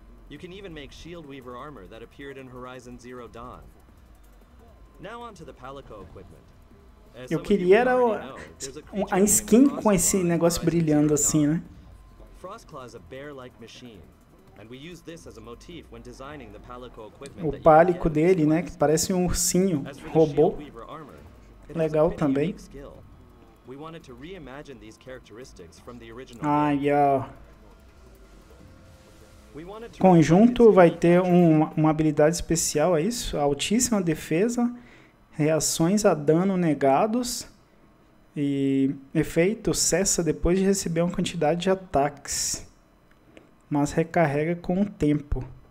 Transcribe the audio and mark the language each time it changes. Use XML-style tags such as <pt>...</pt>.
<en>You can even make Shield Weaver armor that appeared in Horizon Zero Dawn. Now on to the Palico equipment.</en> <pt>Eu queria era a skin com esse negócio brilhando assim, né?</pt> <en>Frostclaw is a bear-like machine, and we use this as a motif when designing the Palico equipment.</en> <pt>O Palico dele, né, que parece um ursinho, robô. Legal também.</pt> <en>We wanted to reimagine these characteristics from the original. Ah, yeah.</en> <pt>Conjunto vai ter uma habilidade especial, é isso? Altíssima defesa, reações a dano negados e efeito cessa depois de receber uma quantidade de ataques, mas recarrega com o tempo.</pt>